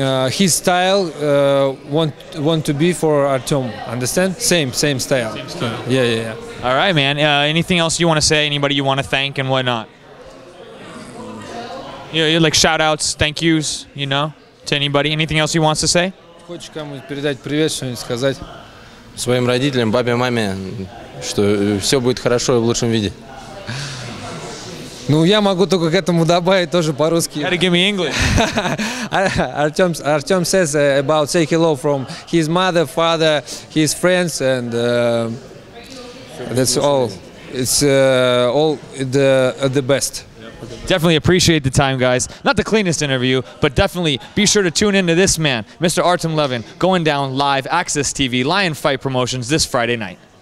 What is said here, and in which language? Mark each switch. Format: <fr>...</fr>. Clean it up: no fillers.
<en>His style want to be for Artem, understand? Same style. Same style. Yeah. All right, man. Anything else you want to say? Anybody you want to thank and whatnot? Yeah, like shout outs, thank yous, you know, to anybody. Anything else he wants to say?</en> <ru>Хочешь кому-нибудь передать привет, что-нибудь сказать? Своим родителям, бабе, маме, что все будет хорошо и в лучшем виде. Ну, я могу только к этому добавить тоже по-русски.</ru> <en>Gotta give me English. Artem says about say hello from his mother, father, his friends, and that's all. It's all the best. Definitely appreciate the time, guys. Not the cleanest interview, but definitely be sure to tune into this man, Mr. Artem Levin, going down live, Access TV, Lion Fight Promotions, this Friday night.</en>